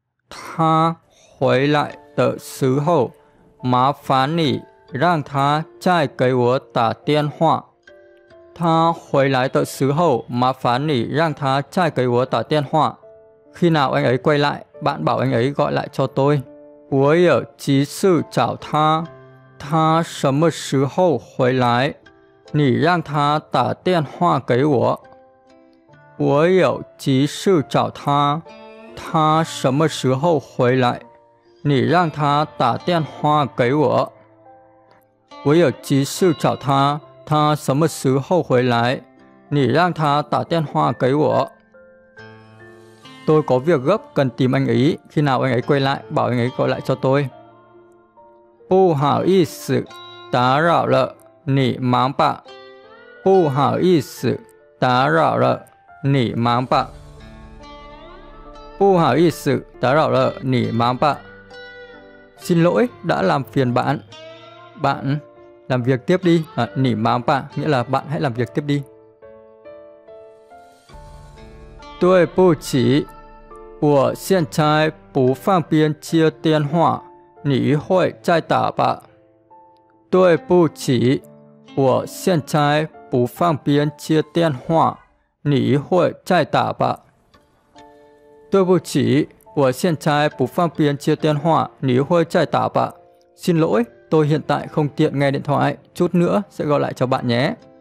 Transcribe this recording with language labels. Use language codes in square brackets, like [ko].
[vi] Tha hồi lại tới sứ hậu, má phá nỉ rang tha chai cấy ủa tả tiên họa. Tha hồi lại tới sứ hậu, má phá nỉ rang tha chai cấy ủa tả tiên họa. Khi nào anh ấy quay lại, bạn bảo anh ấy gọi lại cho tôi. [zh] 我有急事找他, 他什么时候回来, 你让他打电话给我。我有急事找他, 他什么时候回来, 你让他打电话给我。我有急事找他, 他什么时候回来, 你让他打电话给我。 [vi] Tôi có việc gấp cần tìm anh ấy. Khi nào anh ấy quay lại, bảo anh ấy gọi lại cho tôi. [zh] 不好意思, 打扰了, 你忙吧. 不好意思, 打扰了, 你忙吧. 不好意思, 打扰了, 你忙吧. [vi] Xin lỗi, đã làm phiền bạn. Bạn làm việc tiếp đi. [zh] 你忙吧, [vi] nghĩa là bạn hãy làm việc tiếp đi. [zh] 对不起, 我现在不方便接电话，你一会再打吧。对不起，我现在不方便接电话，你一会再打吧。对不起，我现在不方便接电话，你一会再打吧。 [vi] Xin lỗi, tôi hiện tại không tiện nghe điện thoại, chút nữa sẽ gọi lại cho bạn nhé.